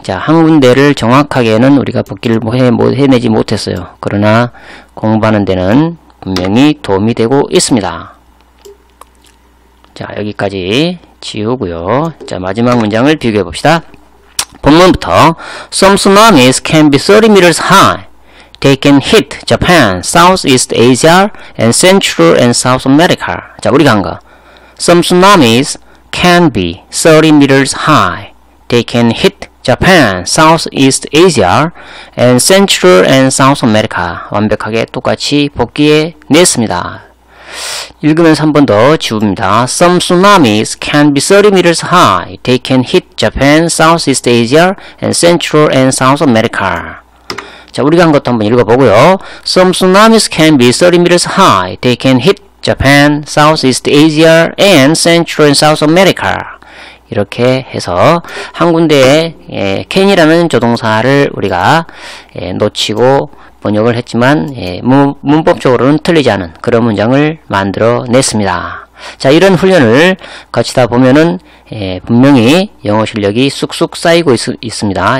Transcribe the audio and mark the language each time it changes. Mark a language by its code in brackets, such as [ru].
[ko] 자, 한 군데를 정확하게는 우리가 복기를 해내지 못했어요. 그러나 공부하는 데는 분명히 도움이 되고 있습니다. 자, 여기까지 지우고요. 자, 마지막 문장을 비교해 봅시다. 본문부터 [en] Some tsunamis can be 30 meters high. They can hit Japan, Southeast Asia, and Central and South America. [ko] 자, 우리가 한 거. [en] Some tsunamis can be 30 meters high. They can hit Japan, Southeast Asia, and Central and South America. [ko] 완벽하게 똑같이 복기해 냈습니다. 읽으면서 한 번 더 지웁니다. [en] Some tsunamis can be 30 meters high. They can hit Japan, Southeast Asia, and Central and South America. [ko] 자, 우리가 한 것도 한번 읽어보고요. [en] Some tsunamis can be 30 meters high. They can hit Japan, Southeast Asia, and Central and South America. [ko] 이렇게 해서 한 군데에 can이라는 조동사를 우리가 놓치고 번역을 했지만 문법적으로는 틀리지 않은 그런 문장을 만들어 냈습니다. 자, 이런 훈련을 거치다 보면은 분명히 영어 실력이 쑥쑥 쌓이고 있습니다.